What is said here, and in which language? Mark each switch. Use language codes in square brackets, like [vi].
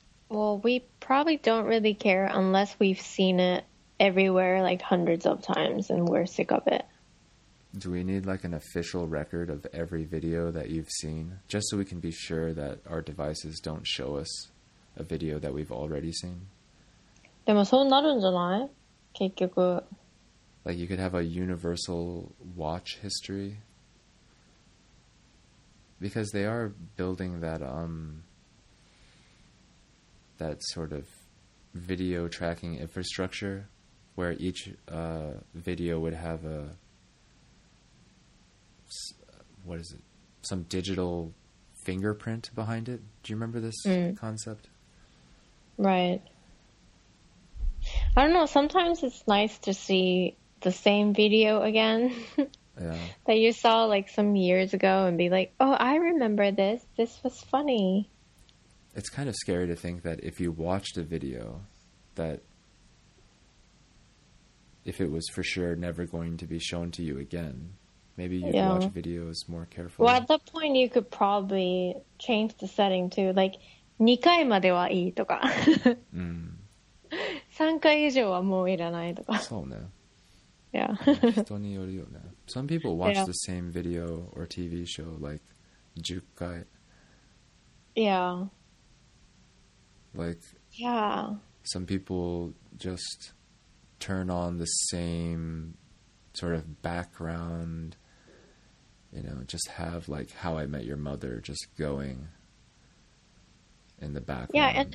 [en] Well, we probably don't really care unless we've seen it everywhere, like, hundreds of times, and we're sick of it. Do we need, like, an official record of every video that you've seen? Just so we can be sure that our devices don't show us a video that we've already seen? [ja] でもそうなるんじゃない?結局。 [en] Like, you could have a universal watch history. Because they are building that, that sort of video tracking infrastructure where each video would have a, what is it, some digital fingerprint behind it. Do you remember this concept? Right. I don't know. Sometimes it's nice to see the same video again that you saw like some years ago and be like, oh, I remember this. This was funny. It's kind of scary to think that if you watched a video, that if it was for sure never going to be shown to you again, maybe you'd watch videos more carefully. Well, at that point, you could probably change the setting too. [ja] Like, 2回まではいいとか. 3回以上はもういらないとか. そうね. [en] Yeah. [ja] 人によるよね. [en] Some people watch the same video or TV show like [ja] 10回. [en] Yeah. Like, yeah, some people just turn on the same sort of background, you know, just have like How I Met Your Mother just going in the background.